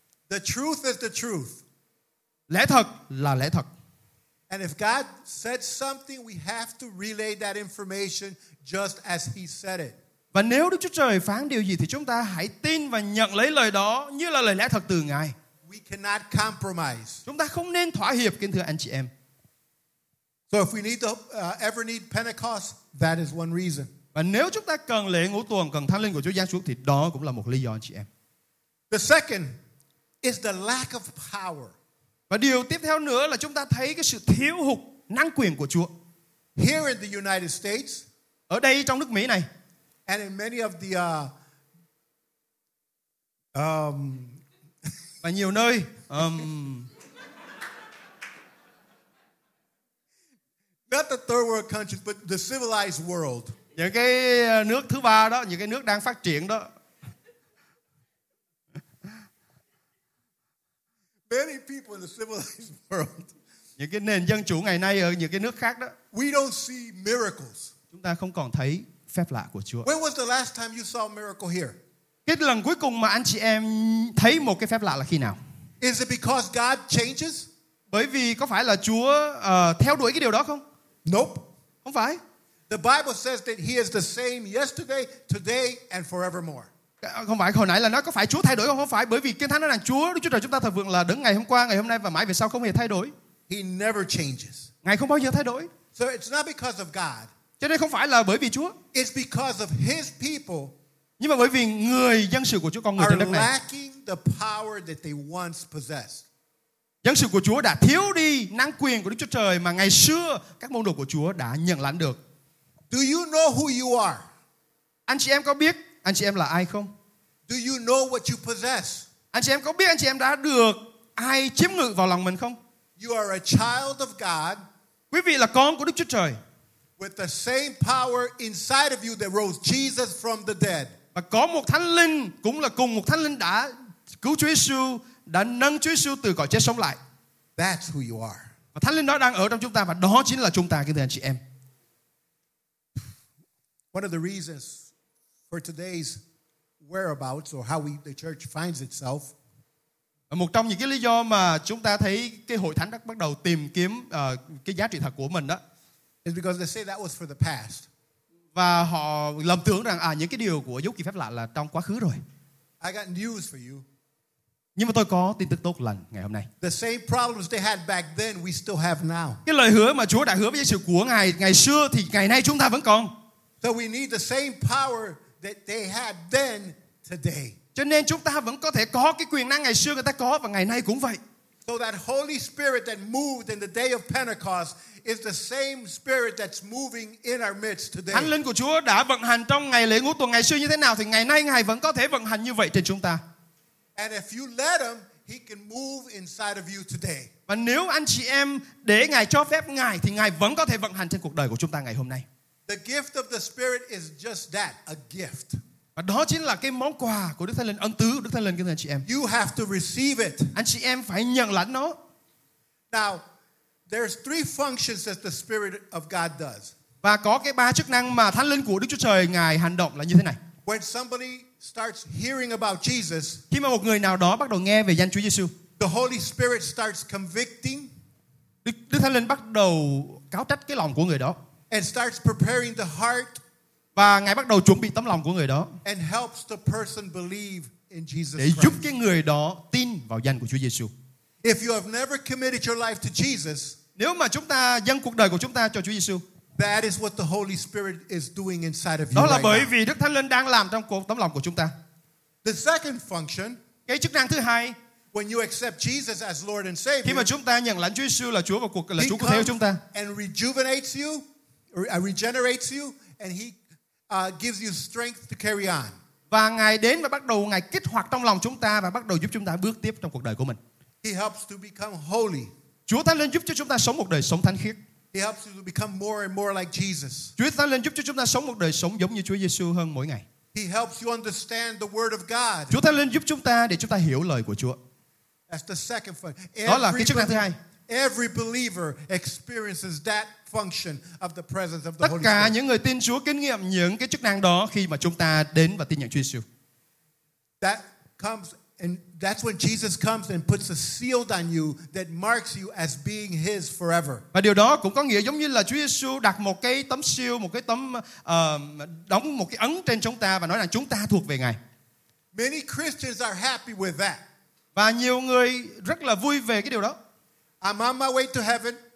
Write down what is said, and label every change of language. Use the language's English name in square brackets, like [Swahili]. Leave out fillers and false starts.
[English] The truth is the truth. [Vietnamese] Lẽ thật là lẽ thật. [English] And if God said something, we have to relay that information just as He said it. [Vietnamese] Và nếu Đức Chúa Trời phán điều gì thì chúng ta hãy tin và nhận lấy lời đó như là lời lẽ thật từ Ngài. [English] We cannot compromise. [Vietnamese] Chúng ta không nên thỏa hiệp, kính thưa anh chị em. [English] So if we need to ever need Pentecost, that is one reason. [Vietnamese] Và Và nếu chúng ta cần lễ ngũ tuần, cần thánh linh của Chúa giáng xuống thì đó cũng là một lý do chị em. [English] The second is the lack of power. [Vietnamese] Và điều tiếp theo nữa là chúng ta thấy cái sự thiếu hụt năng quyền của Chúa. [English] Here in the United States, [Vietnamese] ở đây trong nước Mỹ này, [English] and in many of the [Vietnamese] và nhiều nơi [English] not the third world countries but the civilized world. [Vietnamese] Những cái nước thứ ba đó, những cái nước đang phát triển đó. [English] Many people in the civilized world. [Vietnamese] Những cái nền dân chủ ngày nay ở những cái nước khác đó. [English] We don't see miracles. [Vietnamese] Chúng ta không còn thấy phép lạ của Chúa. [English] When was the last time you saw a miracle here? [Vietnamese] Cái lần cuối cùng mà anh chị em thấy một cái phép lạ là khi nào? [English] Is it because God changes? [Vietnamese] Bởi vì có phải là Chúa theo đuổi cái điều đó không? [English] Nope. [Vietnamese] Không phải. [English] The Bible says that he is the same yesterday, today and forevermore. [Vietnamese] Không phải, hồi nãy là nói có phải Chúa thay đổi không? Không phải, bởi vì Kinh Thánh nói rằng Chúa, Đức Chúa Trời chúng ta thờ phượng là đấng ngày hôm qua, ngày hôm nay và mãi về sau không hề thay đổi. [English] He never changes. [Vietnamese] Ngài không bao giờ thay đổi. [English] So it's not because of God. [Vietnamese] Cho nên không phải là bởi vì Chúa. [English] It's because of his people. [Vietnamese] Nhưng mà bởi vì người dân sự của Chúa, con người trên đất này, [English] are lacking the power that they once possessed. [Vietnamese] Dân sự của Chúa đã thiếu đi năng quyền của Đức Chúa Trời mà ngày xưa các môn đồ của Chúa đã nhận lãnh được. [English] Do you know who you are? [Vietnamese] Anh chị em có biết anh chị em là ai không? [English] Do you know what you possess? [Vietnamese] Anh chị em có biết anh chị em đã được ai chiếm ngự vào lòng mình không? [English] You are a child of God. [Vietnamese] Quý vị là con của Đức Chúa Trời. [English] With the same power inside of you that rose Jesus from the dead. [Vietnamese] Và có một thánh linh, cũng là cùng một thánh linh đã cứu Chúa Giêsu, đã nâng Chúa Giêsu từ cõi chết sống lại. [English] That's who you are. [Vietnamese] Và thánh linh đó đang ở trong chúng ta và đó chính là chúng ta, kính thưa anh chị em. [English] One of the reasons for today's whereabouts or how the church finds itself. [Vietnamese] Một trong những cái lý do mà chúng ta thấy cái hội thánh đã bắt đầu tìm kiếm cái giá trị thật của mình đó. [English] Is because they say that was for the past. [Vietnamese] Và họ lầm tưởng rằng những cái điều của dấu kỳ phép lạ là trong quá khứ rồi. [English] I got news for you. [Vietnamese] Nhưng mà tôi có tin tức tốt lành ngày hôm nay. [English] The same problems they had back then, we still have now. [Vietnamese] Cái lời hứa mà Chúa đã hứa với Giê-xu của Ngài ngày xưa thì ngày nay chúng ta vẫn còn. [English] So we need the same power that they had then today. [Vietnamese] Cho nên chúng ta vẫn có thể có cái quyền năng ngày xưa người ta có và ngày nay cũng vậy. [English] So that Holy Spirit that moved in the day of Pentecost is the same Spirit that's moving in our midst today. [Vietnamese] Thánh Linh của Chúa đã vận hành trong ngày lễ ngũ tuần ngày xưa như thế nào thì ngày nay Ngài vẫn có thể vận hành như vậy trên chúng ta. [English] And if you let him, he can move inside of you today. [Vietnamese] Và nếu anh chị em để Ngài cho phép Ngài thì Ngài vẫn có thể vận hành trên cuộc đời của chúng ta ngày hôm nay. [English] The gift of the Spirit is just that, a gift. [Vietnamese] Và đó chính là cái món quà của Đức Thánh Linh, ân tứ của Đức Thánh Linh, kính thưa anh chị em. [English] You have to receive it. [Vietnamese] Anh chị em phải nhận lãnh nó. [English] Now, there's three functions that the Spirit of God does. [Vietnamese] Và có cái ba chức năng mà Thánh Linh của Đức Chúa Trời Ngài hành động là như thế này. [English] When somebody starts hearing about Jesus, [Vietnamese] khi mà một người nào đó bắt đầu nghe về danh Chúa Giêsu, [English] the Holy Spirit starts convicting. [Vietnamese] Đức Thánh Linh bắt đầu cáo trách cái lòng của người đó. [English] And starts preparing the heart. [Vietnamese] Và Ngài bắt đầu chuẩn bị tấm lòng của người đó. [English] And helps the person believe in Jesus [Vietnamese] Christ. Để giúp cái người đó tin vào danh của Chúa Giêsu. [English] If you have never committed your life to Jesus, [Vietnamese] nếu mà chúng ta dâng cuộc đời của chúng ta cho Chúa Giêsu, [English] that is what the Holy Spirit is doing inside of you. [Vietnamese] Đó là bởi vì Đức Thánh Linh đang làm trong tấm lòng của chúng ta. [English] The second function, [Vietnamese] cái chức năng thứ hai, [English] when you accept Jesus as Lord and Savior, [Vietnamese] khi mà chúng ta nhận lãnh Chúa Giêsu là Chúa và cuộc là Chúa cứu thế của chúng ta, [English] and rejuvenates you. Regenerates you and he gives you strength to carry on. [Vietnamese] Và Ngài đến và bắt đầu Ngài kích hoạt trong lòng chúng ta và bắt đầu giúp chúng ta bước tiếp trong cuộc đời của mình. [English] He helps to become holy. [Vietnamese] Chúa Thánh Linh giúp cho chúng ta sống một đời sống thánh khiết. [English] He helps you to become more and more like Jesus. [Vietnamese] Chúa Thánh Linh giúp cho chúng ta sống một đời sống giống như Chúa Giêsu hơn mỗi ngày. [English] He helps you understand the word of God. [Vietnamese] Chúa Thánh Linh giúp chúng ta để chúng ta hiểu lời của Chúa. [English] That's the second point. [Vietnamese] Đó là cái chức năng thứ hai. [English] Every believer experiences that function of the presence of the Holy Spirit. [Vietnamese] Tất cả những người tin Chúa kinh nghiệm những cái chức năng đó khi mà chúng ta đến và tin nhận Chúa Giêsu. [English] That comes and that's when Jesus comes and puts a seal on you that marks you as being his forever. [Vietnamese] Và điều đó cũng có nghĩa giống như là Chúa Giêsu đặt một cái tấm seal, một cái tấm đóng một cái ấn trên chúng ta và nói rằng chúng ta thuộc về Ngài. [English] Many Christians are happy with that. [Vietnamese] Và nhiều người rất là vui về cái điều đó. [English] I'm on my way to heaven.